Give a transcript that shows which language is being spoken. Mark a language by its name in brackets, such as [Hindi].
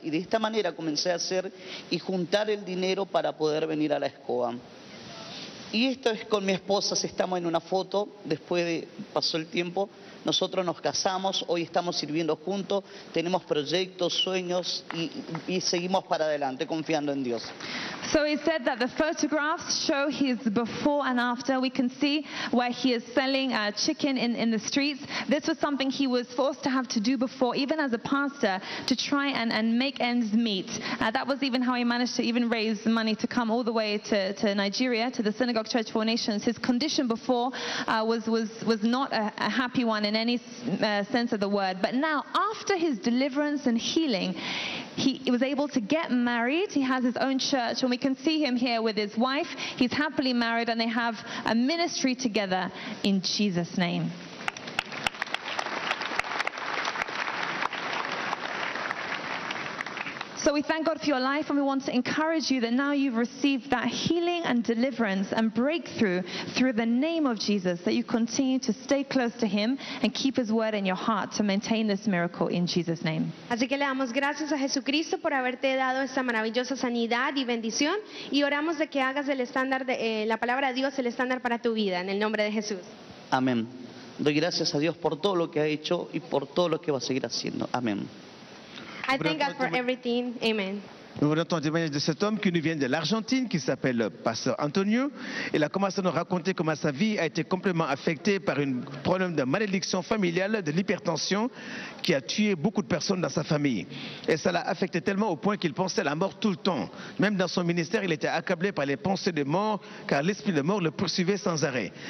[Spanish] Y de esta manera comencé a hacer y juntar el dinero para poder venir a la SCOAN. Y esto es con mi esposa, si estamos en una foto, después de pasó el tiempo, nosotros nos casamos, hoy estamos sirviendo juntos, tenemos proyectos, sueños y seguimos para adelante confiando en Dios. [English] So he said that the photographs show his before and after. We can see where he is selling chicken in the streets. This was something he was forced to have to do before, even as a pastor, to try and make ends meet. That was even how he managed to even raise money to come all the way to Nigeria, to the Synagogue Church for Nations. His condition before was not a happy one in any sense of the word. But now, after his deliverance and healing, he was able to get married. He has his own church. And we can see him here with his wife. He's happily married and they have a ministry together in Jesus' name. So we thank God for your life and we want to encourage you that now you've received that healing and deliverance and breakthrough through the name of Jesus, that you continue to stay close to him and keep his word in your heart to maintain this miracle in Jesus' name. [Spanish] Así que le damos gracias a Jesucristo por haberte dado esta maravillosa sanidad y bendición y oramos de que hagas el estándar de la palabra de Dios el estándar para tu vida en el nombre de Jesús. Amén. Doy gracias a Dios por todo lo que ha hecho y por todo lo que va a seguir haciendo. Amén. [English] I thank God for everything. Amen. [French] Nous voulons entendre le témoignage de cet homme qui nous vient de l'Argentine, qui s'appelle Pasteur Antonio. Il a commencé à nous raconter comment sa vie a été complètement affectée par un problème de malédiction familiale, de l'hypertension, qui a tué beaucoup de personnes dans sa famille. Et ça l'a affecté tellement au point qu'il pensait à la mort tout le temps. Même dans son ministère, il était accablé par les pensées de mort, car l'esprit de mort le poursuivait sans arrêt.